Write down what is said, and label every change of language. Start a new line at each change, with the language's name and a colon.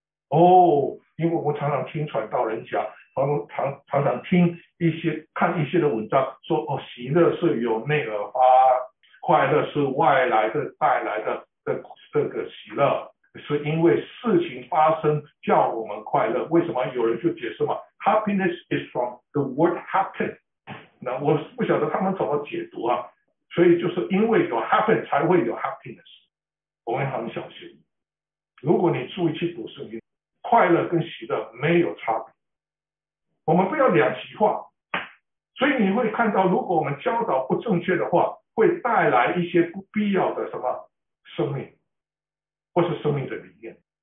Chinese: 哦，因为我常常听传道人讲，常常听一些看一些的文章说，哦，喜乐是由内而发，快乐是外来的带来的，这个喜乐是因为事情发生叫我们快乐。为什么？有人就解释嘛 ，
English: happiness is from the word happen。
Chinese: 那我不晓得他们怎么解读啊。所以就是因为有 happen 才会有 happiness。我们很小心，如果你注意去读圣经，快乐跟喜乐没有差别，我们不要两极化。所以你会看到，如果我们教导不正确的话，会带来一些不必要的什么生命，或是生命的理念。